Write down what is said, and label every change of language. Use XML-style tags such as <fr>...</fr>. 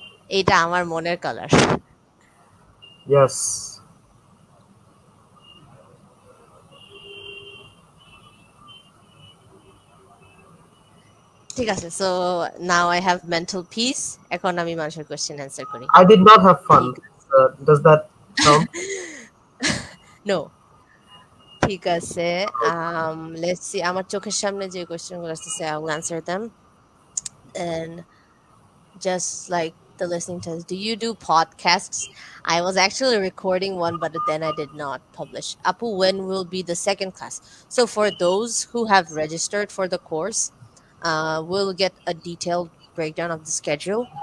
<bn>Eta amar moner color.</bn> <en>Yes.</en> <bn>ঠিক আছে,</bn> <en>so now I have mental peace.</en> <bn>এখন আমি মানুষের question answer করি.</bn> <en>I did not have fun. Does that come? No.</en> <bn>ঠিক আছে,</bn> <en>let's see.</en> <bn>আমার চোখের সামনে যে question গুলো আসছে,</bn> <en>I will answer them. And just like the listening test, do you do podcasts? I was actually recording one, but then I did not publish. Apu, when will be the second class? So for those who have registered for the course, we'll get a detailed breakdown of the schedule.</en>